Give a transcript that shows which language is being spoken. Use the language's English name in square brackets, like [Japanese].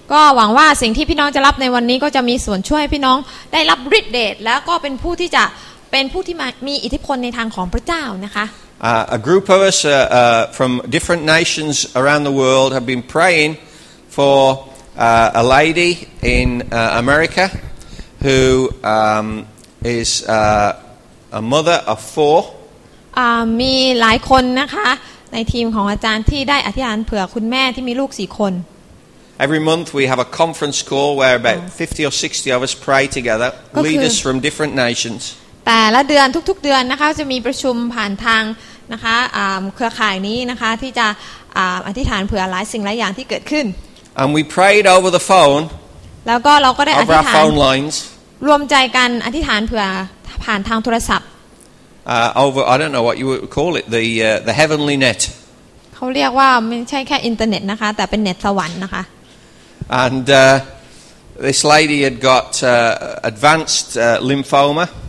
[Thai] ก็หวังว่าสิ่งที่พี่น้องจะรับในวันนี้ก็จะมีส่วนช่วยพี่น้องได้รับฤทธิ์เดชแล้วก็เป็นผู้ที่จะเป็นผู้ที่มีอิทธิพลในทางของพระเจ้านะคะ [English] A group of us from different nations around the world have been praying for a lady in America who is a mother of four [Thai] มีหลายคนนะคะในทีมของอาจารย์ที่ได้อธิษฐานเผื่อคุณแม่ที่มีลูก4คน [English] Every month we have a conference call where about 50 or 60 of us pray together leaders from different nations [Thai] แต่ละเดือนทุกๆเดือนนะคะจะมีประชุมผ่านทางนะคะเครือข่ายนี้นะคะที่จะอธิษฐานเผื่อหลายสิ่งหลายอย่างที่เกิดขึ้น [English] And we prayed over the phone [Thai] แล้วก็เราก็ได้อธิษฐาน [English] lines, [Thai] รวมใจกันอธิษฐานเผื่อผ่านทางโทรศัพท์ [English] over I don't know what you would call it the heavenly net [Thai] เขาเรียกว่าไม่ใช่แค่อินเทอร์เน็ตนะคะแต่เป็นเน็ตสวรรค์นะคะ [English] And this lady had got advanced lymphoma